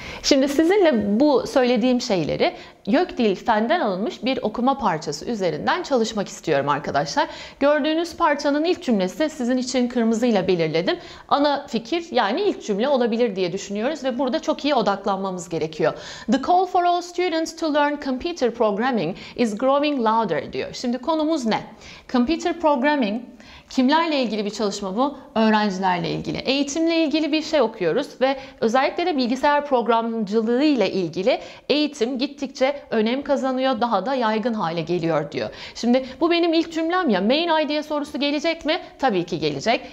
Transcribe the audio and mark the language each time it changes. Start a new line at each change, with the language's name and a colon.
Turkish: Şimdi sizinle bu söylediğim şeyleri YÖKDİL Fen'den alınmış bir okuma parçası üzerinden çalışmak istiyorum arkadaşlar. Gördüğünüz parçanın ilk cümlesi sizin için kırmızıyla belirledim. Ana fikir yani ilk cümle olabilir diye düşünüyoruz ve burada çok iyi odaklanmamız gerekiyor.
English: The call for all students to learn computer programming is growing louder
Turkish: diyor. Şimdi konumuz ne? Computer programming kimlerle ilgili bir çalışma bu? Öğrencilerle ilgili. Eğitimle ilgili bir şey okuyoruz ve özellikle de bilgisayar programcılığı ile ilgili eğitim gittikçe önem kazanıyor, daha da yaygın hale geliyor diyor. Şimdi bu benim ilk cümlem ya, main idea sorusu gelecek mi? Tabii ki gelecek.